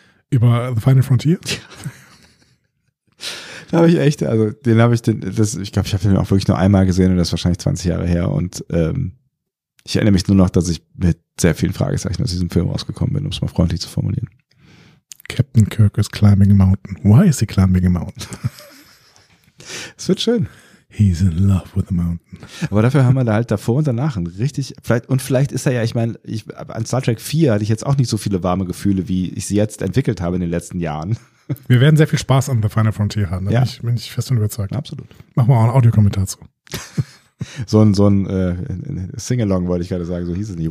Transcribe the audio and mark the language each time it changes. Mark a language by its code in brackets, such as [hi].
[de] Über The Final Frontier? Ja. Da habe ich echt, also den habe ich, den, das, ich glaube, ich habe den auch wirklich nur einmal gesehen und das ist wahrscheinlich 20 Jahre her. Und ich erinnere mich nur noch, dass ich mit sehr vielen Fragezeichen aus diesem Film rausgekommen bin, um es mal freundlich zu formulieren. [en] Captain Kirk is climbing a mountain. Why is he climbing a mountain? [de] Es wird schön. [en] He's in love with the mountain. [de] Aber dafür haben wir da halt davor und danach ein richtig, vielleicht, und vielleicht ist er ja, ich meine, ich, an Star Trek 4 hatte ich jetzt auch nicht so viele warme Gefühle, wie ich sie jetzt entwickelt habe in den letzten Jahren. Wir werden sehr viel Spaß an The Final Frontier haben, da bin ich fest und überzeugt. Absolut. Machen wir auch einen Audiokommentar zu. So ein Sing-Along wollte ich gerade sagen, so hieß es nicht.